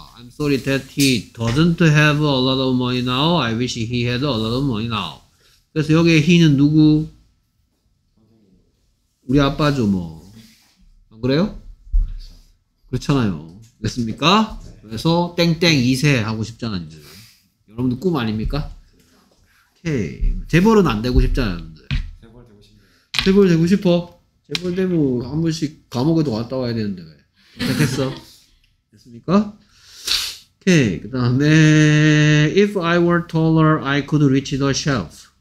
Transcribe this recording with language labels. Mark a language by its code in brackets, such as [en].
[en] I'm sorry that he doesn't have a lot of money now. I wish he had a lot of money now. [ko] 그래서 여기에 he는 누구? 우리 아빠죠, 뭐. 안 그래요? 그렇잖아요. 됐습니까? 그래서 땡땡 2세 하고 싶잖아 이제. 여러분들 꿈 아닙니까? 오케이. 재벌은 안 되고 싶잖아 여러분들. 재벌 되고 싶네. 재벌 되고 싶어? 재벌 되면 한 번씩 감옥에도 왔다 와야 되는데 왜? 됐어? 됐습니까? 오케이. 그 다음에 [en] If I were taller I could reach the shelf.